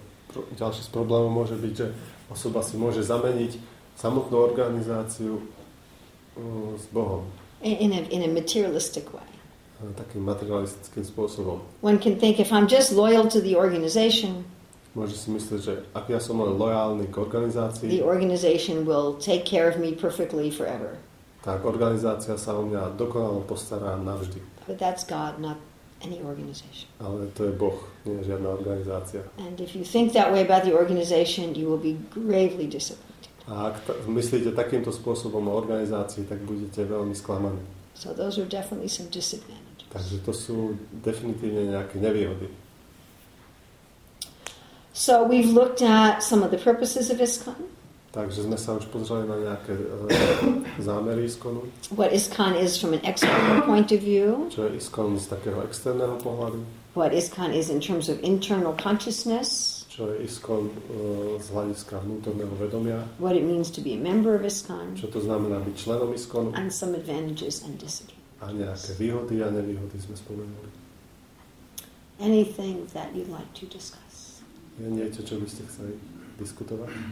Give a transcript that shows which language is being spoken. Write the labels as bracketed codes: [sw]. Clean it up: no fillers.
[sk] Ďalší z problémov môže byť, že osoba si môže zameniť samotnú organizáciu s Bohom. [en] In a materialistic way. [sk] Takým materialistickým spôsobom. [en] One can think, if I'm just loyal to the organization, [sk] môže si myslieť, že ak ja som len lojálny k organizácii, [en] the organization will take care of me perfectly forever. [sk] Tak organizácia sa o mňa dokonale postará navždy. [en] But that's God, not any organization. [sk] Ale to je Boh, nie je žiadna organizácia. [en] And if you think that way about the organization, you will be gravely disappointed. [sk] A ak myslíte takýmto spôsobom o organizácii, tak budete veľmi sklamaní. [en] So those are definitely some disadvantages. [sk] Takže to sú definitívne nejaké nevýhody. [en] So we've looked at some of the purposes of ISKCON. [sk] Takže sme sa už pozreli na nejaké zámery ISKCONu. [en] What ISKCON is from an external point of view. [sk] Čo je ISKCON z takého externého pohľadu. [en] What ISKCON is in terms of internal consciousness. [sk] Čo je ISKCON z hľadiska vnútorného vedomia. [en] What it means to be a member of ISKCON. [sk] Čo to znamená byť členom ISKCONu. [en] And some advantages and disadvantages. [sk] A nejaké výhody a nevýhody sme spomenuli. [en] Anything that you'd like to discuss. [sk] Je niečo, čo by ste chceli diskutovať?